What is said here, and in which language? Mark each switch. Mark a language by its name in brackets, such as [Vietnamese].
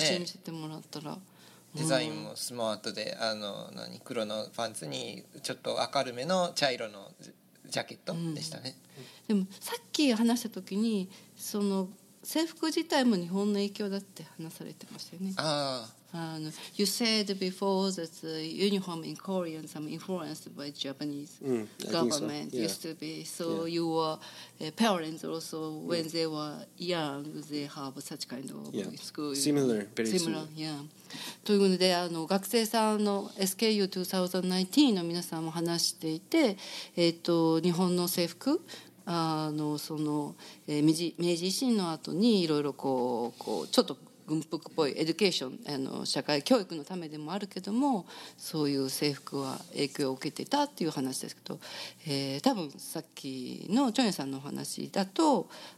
[Japanese] 写真見せてもらったら、デザインもスマートで、黒のパンツにちょっと明るめの茶色のジャケットでしたね、うん、でもさっき話した時にその制服自体も日本の影響だって話されてましたよね。 [English] You said before that uniform in Korea is influenced by Japanese government. So. Yeah. Used to be. So yeah. Your parents also, when they were young, they have such kind of school. Similar, very similar. Yeah. [Japanese] ということで、学生さんの SKU 2019の皆さんも話していて、日本の制服、明治維新の後にいろいろこうちょっと軍服っぽいエデュケーション、社会教育のためでもあるけども、そういう制服は影響を受けていたっていう話ですけど、多分さっきのチョンヨさんの話だと、